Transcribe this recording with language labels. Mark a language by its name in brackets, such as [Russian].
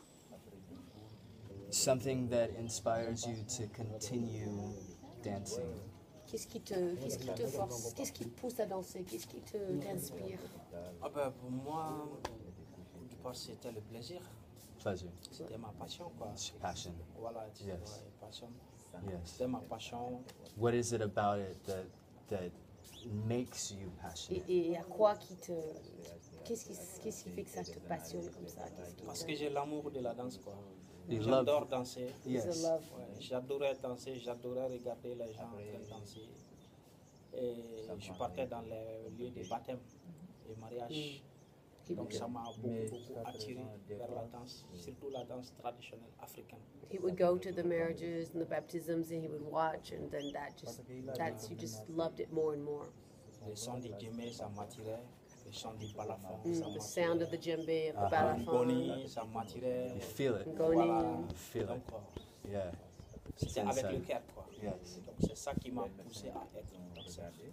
[English] What is something that inspires you to continue dancing? [French] Qu'est-ce qui te force? Qu'est-ce qui te pousse à danser? Qu'est-ce qui te inspire? Ah ben pour moi, je pense que c'était le plaisir. [English] Pleasure. Passion. Yes. Yes. Passion. What is it about it that makes you passionate? [French] Et à quoi qui te qu'est-ce qui fait que ça te passionne comme ça? Parce que j'ai l'amour de la danse quoi. J'adore danser. [English] Yes. [French] J'adorais danser. J'adorais regarder les gens en train de danser. Et je partais dans les lieux de baptême et mariage. Donc ça m'a beaucoup attiré vers la danse, surtout la danse traditionnelle africaine. [English] He would go to the marriages and the baptisms and he would watch and then you just loved it more and more. [French] Le son du djembé ça m'attirait, le son du balafon ça m'attirait. [English] The sound of the djembé and the balafon. [French] Ngoni ça m'attirait. [English] You feel it. Ngoni. Feel it. Yeah. [French] C'était avec le cœur quoi. [English] Yes. [French] Donc c'est ça qui m'a poussé à être danseur.